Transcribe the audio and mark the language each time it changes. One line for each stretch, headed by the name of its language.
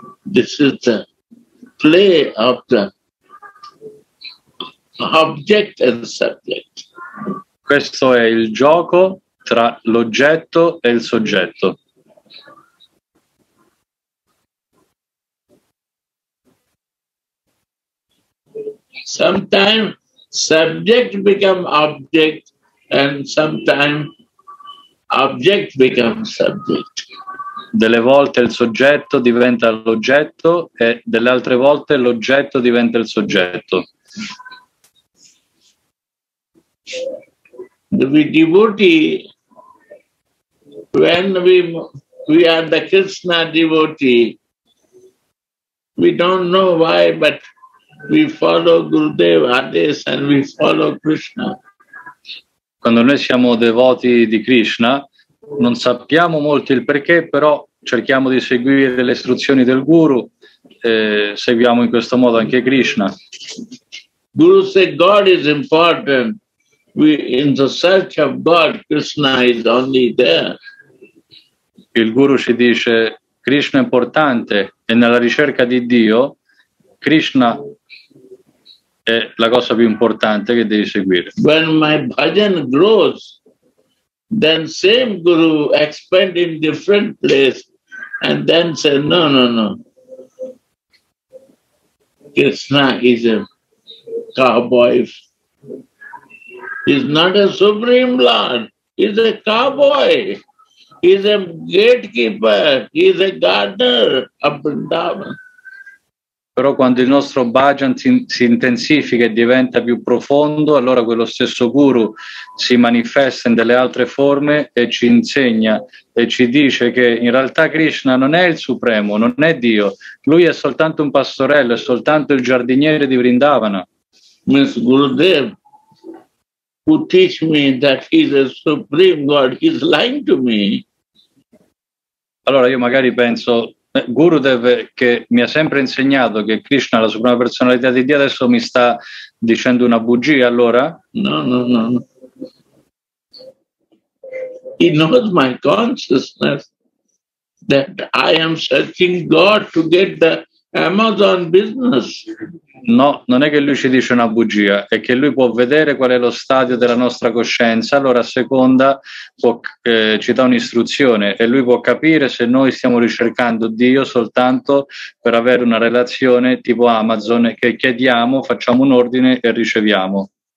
English: This is the play of the object and subject.
Italian: Questo è il gioco tra l'oggetto e il soggetto.
English: Sometimes subject become object and sometimes object become subject.
Italian: Delle volte il soggetto diventa l'oggetto e delle altre volte l'oggetto diventa il soggetto.
English: The devotee, when we are the Krishna devotee, we don't know why, but we follow Gurudev Adesh and we follow Krishna.
Italian: Quando noi siamo devoti di Krishna, non sappiamo molto il perché, però cerchiamo di seguire le istruzioni del Guru, seguiamo in questo modo anche Krishna.
English: Guru says God is important. We in the search of God, Krishna is only there.
Italian: Il Guru ci dice Krishna è importante e nella ricerca di Dio Krishna è la cosa più importante che devi seguire.
English: When my bhajan grows, then same guru expand in different place and then say no no no. Krishna is a cowboy. He's not a supreme lord. He's a cowboy. He's a gatekeeper. He's a gardener of Vrindavan.
Italian: Però quando il nostro bhajan si intensifica e diventa più profondo, allora quello stesso guru si manifesta in delle altre forme e ci insegna e ci dice che in realtà Krishna non è il supremo, non è Dio. Lui è soltanto un pastorello, è soltanto il giardiniere di Vrindavana.
English: Means Gurudev, who teach me that he's a supreme god, he's lying to me.
Italian: Allora io magari penso... Gurudev che mi ha sempre insegnato che Krishna è la suprema personalità di Dio adesso mi sta dicendo una bugia allora?
English: No, no, no. He knows my consciousness that I am searching God to get the Amazon business.
Italian: No, non è che lui ci dice una bugia, è che lui può vedere qual è lo stadio della nostra coscienza, allora a seconda può, ci dà un'istruzione e lui può capire se noi stiamo ricercando Dio soltanto per avere una relazione tipo Amazon che chiediamo, facciamo un ordine e riceviamo.